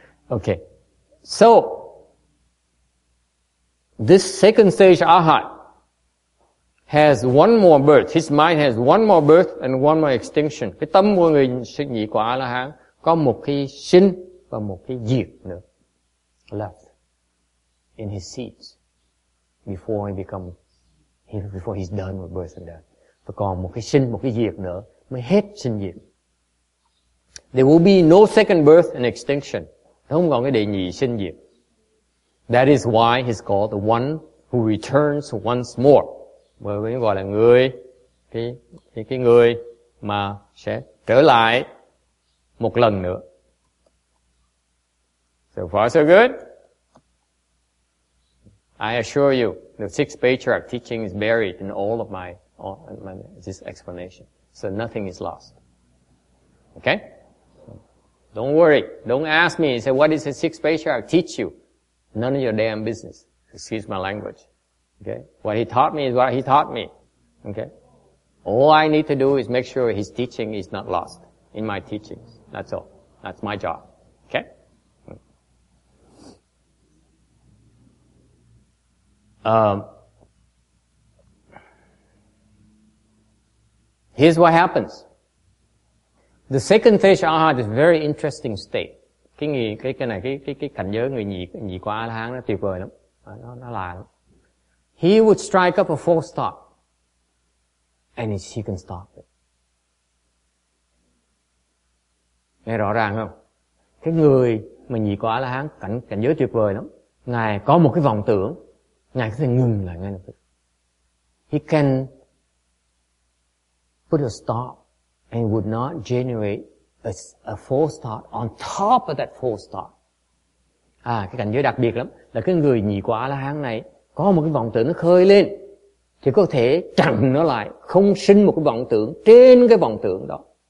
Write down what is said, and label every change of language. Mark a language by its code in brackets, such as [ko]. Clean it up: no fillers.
[en] Okay. So, this second stage Arhat has one more birth. His mind has one more birth and one more extinction. [vi] Cái tâm của người sự nhị của A-la-hán có một cái sinh và một cái diệt nữa. [en] Left in his seeds before he's done with birth and death. [vi] Và còn một cái sinh, một cái diệt nữa mới hết sinh diệt. [en] There will be no second birth and extinction. [vi] Không còn cái đệ nhị sinh diệt. [en] That is why he's called the one who returns once more. [vi] Bởi vì gọi là người, cái người mà sẽ trở lại một lần nữa. [en] So far so good. I assure you, the six patriarch teaching is buried in all of my this explanation. So nothing is lost. Okay? Don't worry. Don't ask me. Say, what is the six patriarch teach you? None of your damn business. Excuse my language. Okay? What he taught me is what he taught me. Okay? All I need to do is make sure his teaching is not lost in my teachings. That's all. That's my job. Okay? Here's what happens. The second stage Arhat is a very interesting state. [vi] Cái cảnh giới người nhị của A-la-hán nó tuyệt vời lắm. Nó lạ lắm. [en] He would strike up a false thought. And he can stop it. [vi] Nghe rõ ràng không? Cái người mà nhị của A-la-hán cảnh giới tuyệt vời lắm. Ngài có một cái vọng tưởng. Ngài có thể ngừng lại ngay lập tức. [en] He can put a stop and would not generate a false thought on top of that false thought. [vi] À, cái cảnh giới đặc biệt lắm là cái người nhị của A-la-hán này có một cái vọng tưởng nó khơi lên thì có thể chặn nó lại, không sinh một cái vọng tưởng trên cái vọng tưởng đó.